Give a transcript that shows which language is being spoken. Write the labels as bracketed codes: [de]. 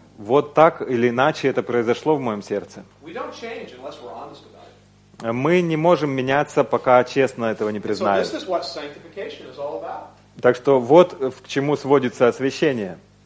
[ru] Вот так или иначе это произошло в моем сердце. [en] We don't change unless we're honest about it. [ru] Мы не можем меняться, пока честно этого не признаем. [en] So this is what sanctification is all about. [ru] Так что вот к чему сводится освящение.